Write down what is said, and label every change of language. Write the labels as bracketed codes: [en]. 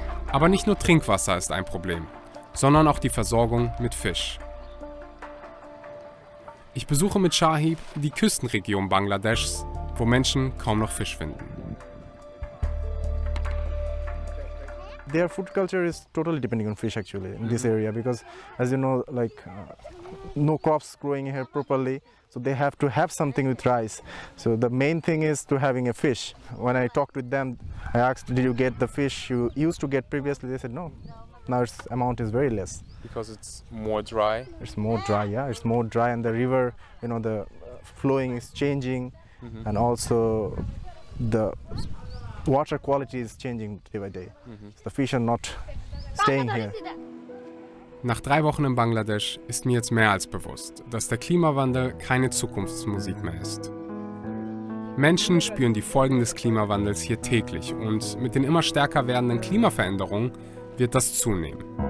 [de] Aber nicht nur Trinkwasser ist ein Problem, sondern auch die Versorgung mit Fisch. Ich besuche mit Shahib die Küstenregion Bangladeschs, wo Menschen kaum noch Fisch finden. [en] Their food culture is totally depending on fish actually in this area because as you know like no crops growing here properly so they have to have something with rice so the main thing is to having a fish when I talked with them I asked did you get the fish you used to get previously they said no now its amount is very less because it's more dry it's more dry yeah it's more dry and the river you know the flowing is changing mm-hmm. and also the water quality is changing day by day. The fish are not staying here. [de] Nach 3 Wochen in Bangladesch ist mir jetzt mehr als bewusst, dass der Klimawandel keine Zukunftsmusik mehr ist. Menschen spüren die Folgen des Klimawandels hier täglich und mit den immer stärker werdenden Klimaveränderungen wird das zunehmen.